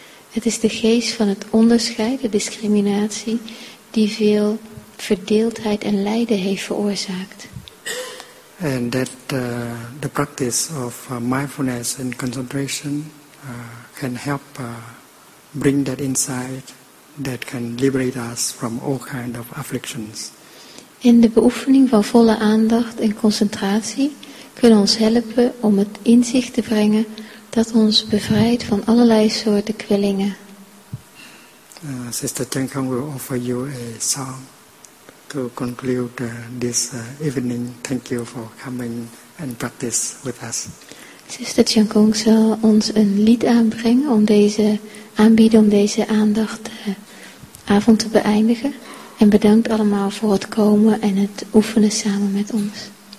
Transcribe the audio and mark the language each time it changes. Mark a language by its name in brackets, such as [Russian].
[Dutch] Het is de geest van het onderscheid, de discriminatie, die veel verdeeldheid en lijden heeft veroorzaakt. [English] And that the practice of mindfulness and concentration can help bring that insight that can liberate us from all kinds of afflictions. [Dutch] En de beoefening van volle aandacht en concentratie kunnen ons helpen om het inzicht te brengen dat ons bevrijdt van allerlei soorten kwellingen. [English] Sister Chan Kang will offer you a song to conclude this evening. Thank you for coming and practice with us. [Dutch] Sister Chan Kang zal ons een lied aanbrengen om deze aanbieden om deze aandacht avond te beëindigen. En bedankt allemaal voor het komen en het oefenen samen met ons.